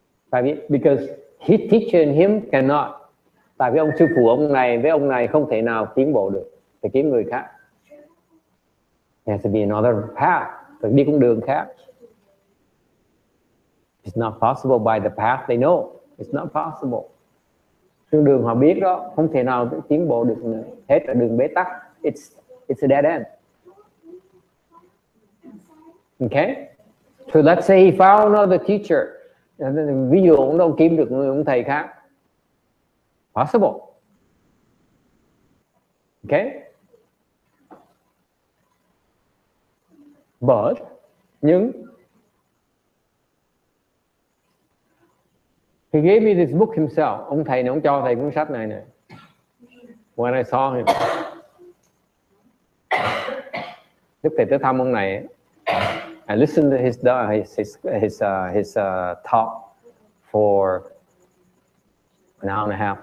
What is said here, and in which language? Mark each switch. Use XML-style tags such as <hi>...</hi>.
<vi>Tại vì,</vi> <en>because his teacher and him cannot.</en> <vi>Tại vì ông sư phụ ông này với ông này không thể nào tiến bộ được. Phải kiếm người khác.</vi> <en>There has to be another path.</en> <vi>Phải đi con đường khác.</vi> <en>It's not possible by the path they know. It's not possible.</en> <vi>Con đường họ biết đó, không thể nào tiến bộ được nữa. Hết là đường bế tắc.</vi> <en>It's a dead end. Okay? So let's say he found another teacher. And then,</en> <vi>ví dụ ông đâu kiếm được người ông thầy khác.</vi> <en>Possible. Okay? But,</en> <vi>nhưng,</vi> <en>he gave me this book himself.</en> <vi>Ông thầy này, ông cho thầy cuốn sách này này.</vi> <en>When I saw him.</en> <vi>Lúc thầy tới thăm ông này,</vi> <en>I listened to his talk for an hour and a half.</en>